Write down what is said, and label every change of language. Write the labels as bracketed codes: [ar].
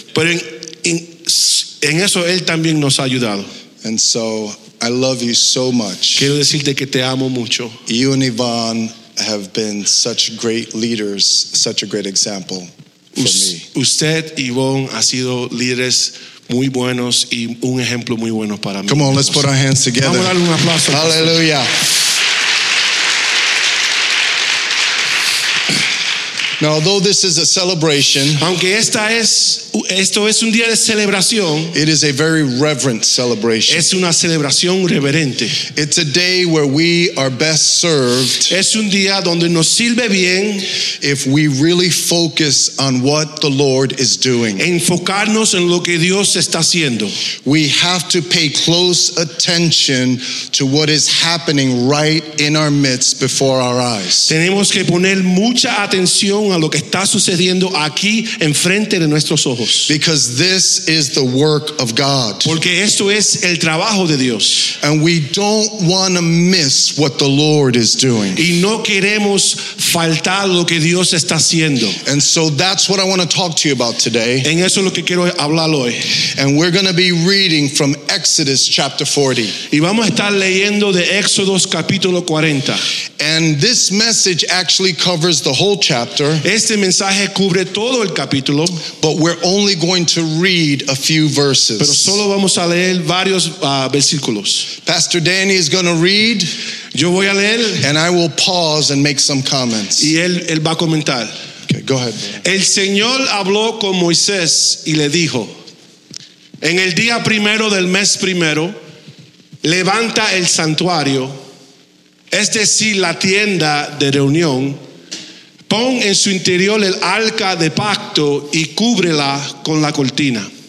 [es] Pero en eso él también nos ha ayudado. [en] And so I love you so much. [es] Quiero decirte que te amo mucho. [en] You and Yvonne have been such great leaders, such a great example for me. [es] Usted y Yvonne ha sido líderes muy buenos y un ejemplo muy bueno para mí. [en] Come on, let's put our hands together. [es] Vamos a darle un aplauso. [en] Hallelujah. Now, although this is a celebration, [es] aunque esta es esto es un día de celebración. [en] It is a very reverent celebration. [es] Es una celebración reverente. [en] It's a day where we are best served. [es] Es un día donde nos sirve bien [en] if we really focus on what the Lord is doing. [es] Enfocarnos en lo que Dios está haciendo. [en] We have to pay close attention to what is happening right in our midst before our eyes. [es] Tenemos que poner mucha atención a lo que está sucediendo aquí enfrente de nuestros ojos. [en] Because this is the work of God. [es] Porque esto es el trabajo de Dios. [en] And we don't want to miss what the Lord is doing. [es] Y no queremos faltar lo que Dios está haciendo. [en] And so that's what I want to talk to you about today. [es] En eso es lo que quiero hablar hoy. [en] And we're going to be reading from Exodus chapter 40. [es] Y vamos a estar leyendo de Éxodos capítulo 40. [en] And this message actually covers the whole chapter. [es] Este mensaje cubre todo el capítulo. [en] But we're only going to read a few verses. [es] Pero solo vamos a leer varios versículos. [en] Pastor Danny is going to read. [es] Yo voy a leer. [en] And I will pause and make some comments. [es] Y él va a comentar. [en] Okay, go ahead. [es] El Señor habló con Moisés y le dijo, en el día primero del mes primero, levanta el santuario, es decir, la tienda de reunión, pon en su interior el arca de pacto y cúbrela con la cortina.